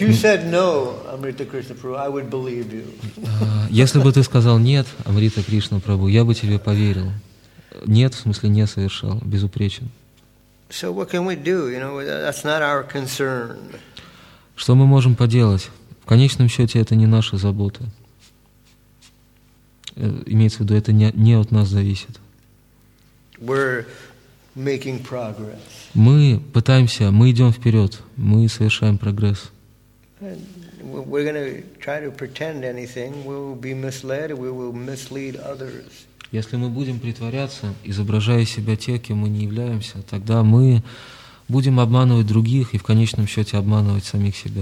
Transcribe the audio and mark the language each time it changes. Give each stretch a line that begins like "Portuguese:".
English: If you said no, Amrita Krishna Prabhu, I would believe you.
Russian: Если бы ты сказал нет, Амрита Кришна Прабу, я бы тебе поверил. Нет, в смысле, не совершал, безупречен.
English: So what can we do? You know, that's not our concern.
Russian: Что мы можем поделать? В конечном счете, это не наша забота. Имеется в виду, это не от нас зависит.
English: We're making progress.
Russian: Мы пытаемся, мы идем вперед, мы совершаем прогресс.
English: We're gonna try to pretend anything. We will be misled, we will mislead others.
Russian: Если мы будем притворяться, изображая себя те, кем мы не являемся, тогда мы будем обманывать других и в конечном счете обманывать самих